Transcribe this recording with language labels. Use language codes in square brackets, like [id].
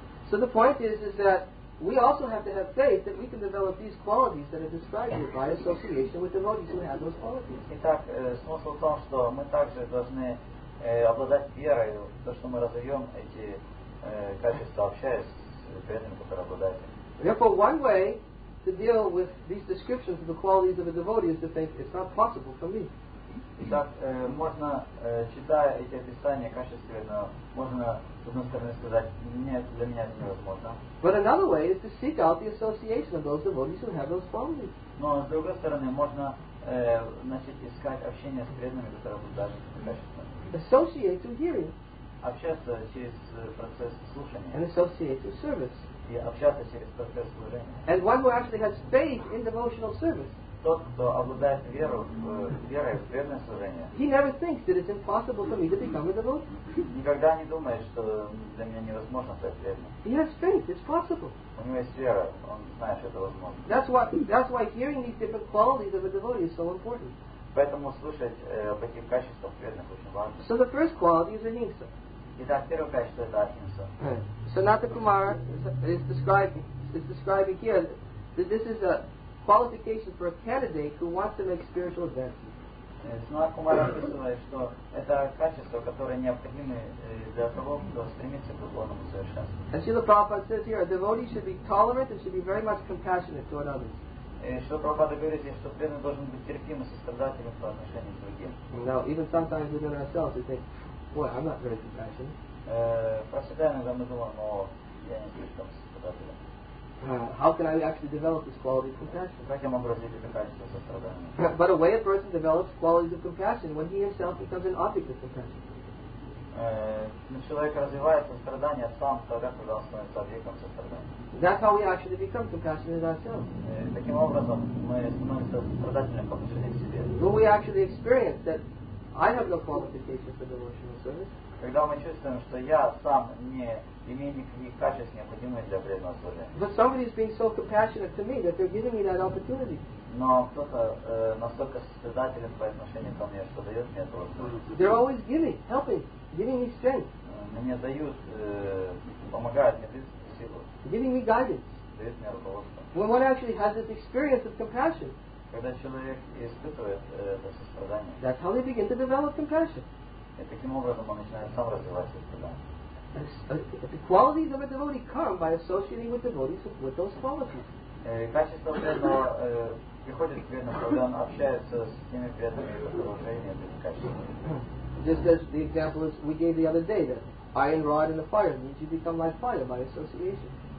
[en] So the point is that we also have to have faith that we can develop these qualities that are described here by association with devotees who have those qualities. [ru] Итак, смысл в том, что мы также должны обладать верой, то что мы разовьем эти качества, общаясь с преданным, который обладает. [en] Therefore, one way to deal with these descriptions of the qualities of a devotee is to think it's not possible for me. [ru] Итак, можно, читая эти описания качественно, можно, с одной стороны, сказать, нет, для меня это невозможно. [en] But another way is to seek out the association of those devotees who have those qualities. [ru] Но, с другой стороны, можно значит, искать общение с преданными, которые будут даже качественно. [en] Associate through hearing. [ru] Общаться через процесс слушания. [en] And associate through service. [ru] И общаться через процесс служения. [en] And one who actually has faith in devotional service. [ru] Тот, кто обладает верой в преданное служение. [en] He never thinks that it's impossible for me to become a devotee. [ru] Никогда не думает, что для меня невозможно стать преданным. [en] He has faith, it's possible. [ru] У него есть вера, он знает, что это возможно. [en] That's why hearing these different qualities of a devotee is so important. [ru] Поэтому слушать об этих качествах преданных очень важно. [en] So the first quality is ahimsa. [ru] Итак, первое качество это ахимса. [en] Sanatana Kumara is describing here that this is a qualification for a candidate who wants to make spiritual advances. [ru] Сна Кумара описывает, что это качество, которое необходимо для того, кто стремится к духовному совершенству. [en] And Srila Prabhupada says here, a devotee should be tolerant and should be very much compassionate toward others. [ru] Что Прабхупада говорит здесь, что преданный должен быть терпим и сострадательным по отношению к другим. [en] Now, even sometimes within ourselves, we think, boy, I'm not very compassionate. [ru] Просто иногда мы думаем, о, я не слишком сострадательный. [en] How can I actually develop this quality of compassion? [ru] Как я могу развить это качество сострадания? [en] But a way a person develops qualities of compassion when he himself becomes an object of compassion. [ru] Человек развивает сострадание сам тогда, когда он становится объектом сострадания. [en] That's how we actually become compassionate ourselves. [ru] Таким образом мы становимся сострадательными по отношению к себе. [en] When we actually experience that I have no qualification for devotional service. [ru] Когда мы чувствуем, что я сам не имею никаких качеств, необходимых для преданного служения. [en] But somebody is being so compassionate to me that they're giving me that opportunity. [ru] Но кто-то настолько сострадателен по отношению ко мне, что дает мне эту возможность. [en] They're always giving, helping, giving me strength. [ru] Мне дают, помогают мне, дают силу. [en] Giving me guidance. [ru] Дают мне руководство. [en] When one actually has this experience of compassion. [ru] Когда человек испытывает это сострадание. [en] That's how they begin to develop compassion. [ru] И таким образом он начинает сам развивать сострадание. [en] The qualities of a devotee come by associating with devotees with those qualities. [ru] Качество преданного приходит к преданному, когда он общается с теми преданными, которые уже имеют эти качества. [en] Just as the example we gave the other day, that iron rod in the fire means you become like fire by association.